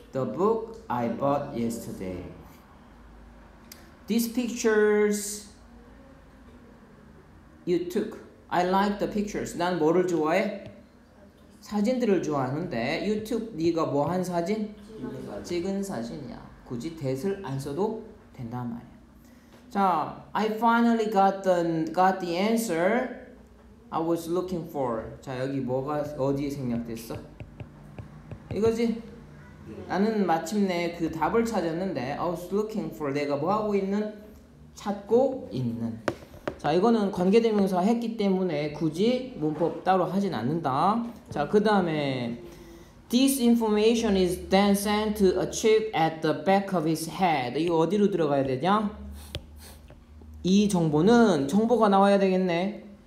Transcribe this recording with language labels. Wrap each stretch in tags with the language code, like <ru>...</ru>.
<en>The book I bought yesterday. These pictures you took. I like the pictures.</en> <ko>난 뭐를 좋아해? 사진들을 좋아하는데 유튜브 네가 뭐 한 사진? 찍은 사진이야. 굳이 that을 안 써도 된단 말이야.</ko> <en>자, I finally got the answer I was looking for.</en> <ko>자, 여기 뭐가 어디에 생략됐어? 이거지? 나는 마침내 그 답을 찾았는데</ko> <en>I was looking for.</en> <ko>내가 뭐 하고 있는? 찾고 있는. 자, 이거는 관계대명사 했기 때문에 굳이 문법 따로 하진 않는다.</ko> <en>자, 그 다음에 This information is then sent to a chip at the back of his head.</en> <ko>이거 어디로 들어가야 되냐? 이 정보는 정보가 나와야 되겠네.</ko>